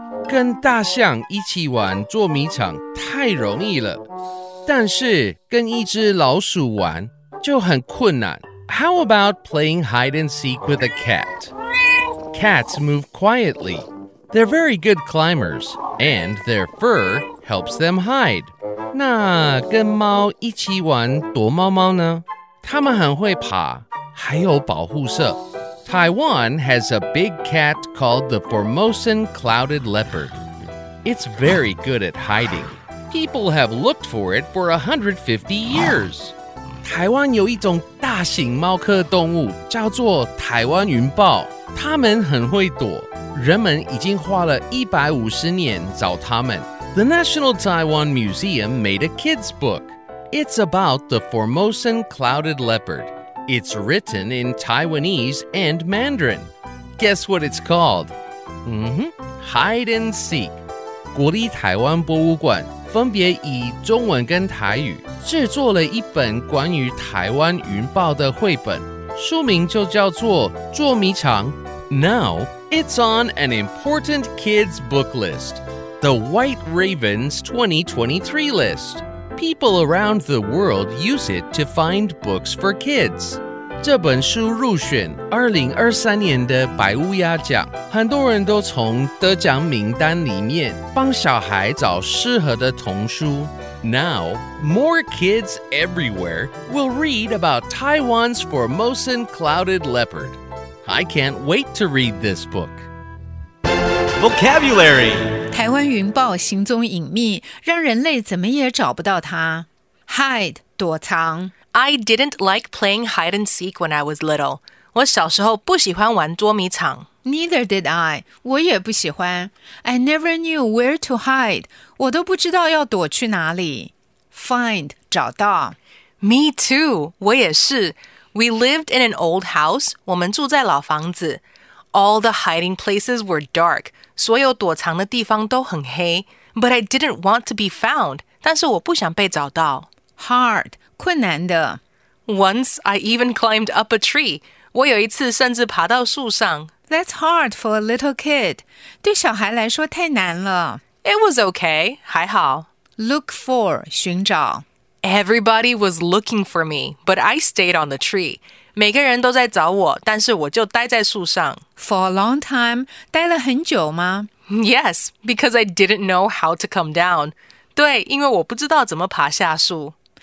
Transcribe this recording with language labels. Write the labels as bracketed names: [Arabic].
[Chinese] 跟大象一起玩捉迷藏太容易了。但是跟一只老鼠玩就很困难。 [English] How about playing hide and seek with a cat? Cats move quietly. They're very good climbers, and their fur helps them hide. [Chinese] 那跟猫一起玩躲猫猫呢？它们很会爬。還有保護色。 [English] Taiwan has a big cat called the Formosan clouded leopard. It's very good at hiding. People have looked for it for 150 years. [Chinese] 台灣有一種大型貓科動物叫做台灣雲豹。牠們很會躲。人們已經花了150年找牠們。 [English] The National Taiwan Museum made a kid's book. It's about the Formosan clouded leopard. It's written in Taiwanese and Mandarin. Guess what it's called? Hide and seek. [Chinese] 國立臺灣博物館分別以中文跟台語製作了一本關於台灣雲豹的繪本,書名就叫做捉迷藏。 [English] Now, it's on an important kids book list. The White Ravens 2023 list. People around the world use it to find books for kids. [Chinese] 这本书入选2023年的白乌鸦奖，很多人都从得奖名单里面帮小孩找适合的童书。 [English] Now, more kids everywhere will read about Taiwan's Formosan clouded leopard. I can't wait to read this book. Vocabulary. [Chinese] 台湾云豹行踪隐密，让人类怎么也找不到它。 [English] Hide, 躲藏。 I didn't like playing hide and seek when I was little. [Chinese] 我小时候不喜欢玩捉迷藏。 [English] Neither did I. [Chinese] 我也不喜欢。 [English] I never knew where to hide. [Chinese] 我都不知道要躲去哪里。 [English] Find, 找到。 Me too. [Chinese] 我也是。 [English] We lived in an old house. [Chinese] 我们住在老房子。 [English] All the hiding places were dark. [Chinese] 所有躲藏的地方都很黑。 [English] But I didn't want to be found. [Chinese] 但是我不想被找到。 [English] Hard, 困难的。 Once I even climbed up a tree. [Chinese] 我有一次甚至爬到树上。 [English] That's hard for a little kid. [Chinese] 对小孩来说太难了。 [English] It was okay, [Chinese] 还好。 [English] Look for, 寻找。 Everybody was looking for me, but I stayed on the tree. [Chinese] 每个人都在找我，但是我就待在树上。 [English] For a long time, [Chinese] 待了很久吗？ [English] Yes, because I didn't know how to come down. [Chinese] 对，因为我不知道怎么爬下树。